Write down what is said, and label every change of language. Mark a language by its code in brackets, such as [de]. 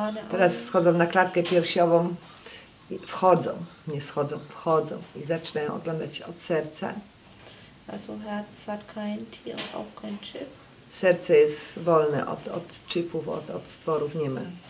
[pl] Teraz schodzą na klatkę piersiową. I wchodzą, nie schodzą, wchodzą i zaczynają oglądać od serca. [de] Also Herz hat kein Tier, auch kein Chip. [pl] Serce jest wolne od chipów, od stworów, nie ma.